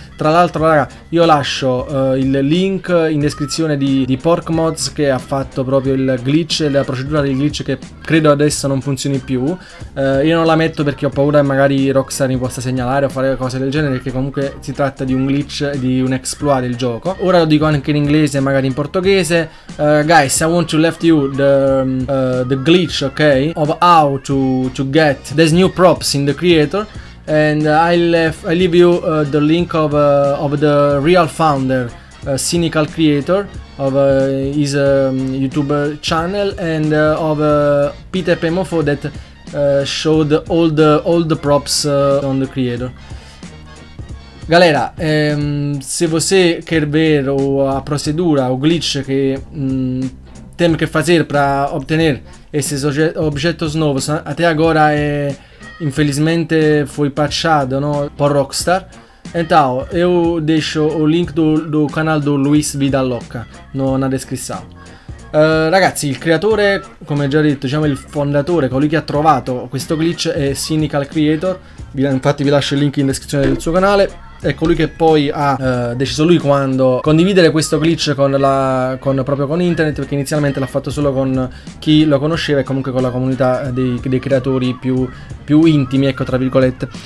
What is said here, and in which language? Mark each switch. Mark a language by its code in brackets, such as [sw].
[it] Tra l'altro, raga, io lascio il link in descrizione di Pork Mods, che ha fatto proprio il glitch, la procedura del glitch, che credo adesso non funzioni più. Io non la metto perché ho paura che magari Rockstar mi possa segnalare o fare cose del genere, perché comunque si tratta di un glitch, di un exploit del gioco. Ora lo dico anche in inglese, magari in portoghese. [en] Guys, I want to left you the glitch, ok, of how to get these new props in the creator, and I leave you the link of the real founder, Cynical Creator, of his YouTuber channel, and of Peter Pemofo, that showed all the props on the creator. [pt] Galera, se você quer ver a procedura, o glitch che tem que fazer para obtener esses objetos novos, até agora infelizmente foi patchado, no? Por Rockstar. Então, eu deixo o link do canal do Luiz Vidalocca na descrição. [it] Ragazzi, il creatore, come già detto, diciamo il fondatore, colui che ha trovato questo glitch, è Cynical Creator. Infatti vi lascio il link in descrizione del suo canale. È colui che poi ha deciso lui quando condividere questo glitch con internet, perché inizialmente l'ha fatto solo con chi lo conosceva e comunque con la comunità dei creatori più intimi, ecco, tra virgolette.